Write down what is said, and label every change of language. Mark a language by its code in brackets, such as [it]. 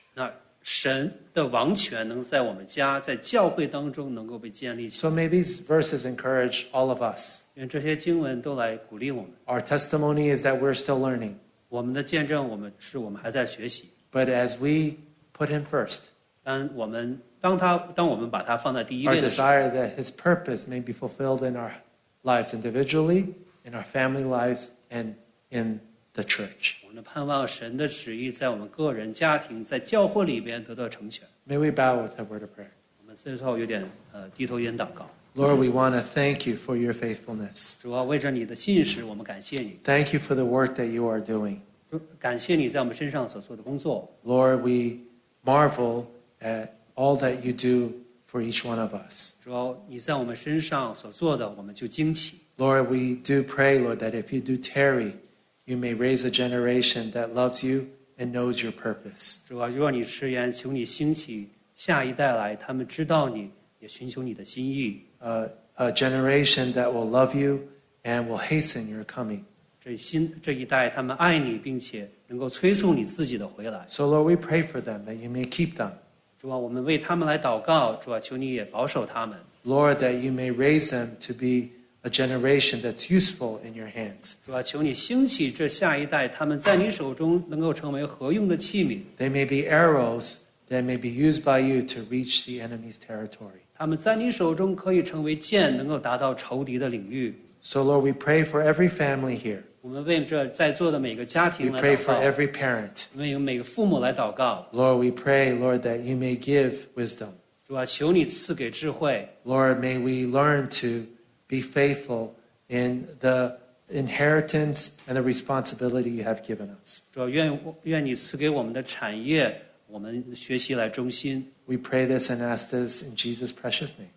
[zh] 那神的王权能在我们家，在教会当中能够被建立起来。 [en] So may these verses encourage all of us. [zh] 愿这些经文都来鼓励我们。 [en] Our testimony is that we're still learning. [zh] 我们的见证，我们还在学习。 [en] But as we Put him first. [zh] 当我们把他放在第一位的时候 [en] Our desire that his purpose may be fulfilled in our lives individually, in our family lives, and in the church. [zh] 我们的盼望神的旨意在我们个人家庭在教会里边得到成全 [en] May we bow with a word of prayer. [zh] 我们最后有点低头点祷告 [en] Lord, we want to thank you for your faithfulness. [zh] 主啊，为着你的信实，我们感谢你 [en] Thank you for the work that you are doing. [zh] 感谢你在我们身上所做的工作 [en] Lord, we Marvel at all that you do for each one of us. [zh] 主要你在我们身上所做的，我们就惊奇。 [en] Lord, we do pray, Lord, that if you do tarry, you may raise a generation that loves you and knows your purpose. [zh] 主要若你迟延，求你兴起下一代来，他们知道你，也寻求你的心意。 [en] A generation that will love you and will hasten your coming. [zh] 这一代，他们爱你，并且能够催促你自己的回来。 [en] So Lord, we pray for them that you may keep them. [zh] 主啊，我们为他们来祷告。主啊，求你也保守他们。 [en] Lord, that you may raise them to be a generation that's useful in your hands. [zh] 主啊，求你兴起这下一代，他们在你手中能够成为何用的器皿。 [en] They may be arrows that may be used by you to reach the enemy's territory. [zh] 他们在你手中可以成为剑，能够达到仇敌的领域。 [en] So Lord, we pray for every family here. [zh] 我们为这在座的每个家庭来祷告。 [en] We pray for every parent. [zh] 为每个父母来祷告。 [en] Lord, we pray, Lord, that you may give wisdom. [zh] 主啊，求你赐给智慧。 [en] Lord, may we learn to be faithful in the inheritance and the responsibility you have given us. [zh] 主啊，愿你赐给我们的产业，我们学习来忠心。 [en] We pray this and ask this in Jesus' precious name.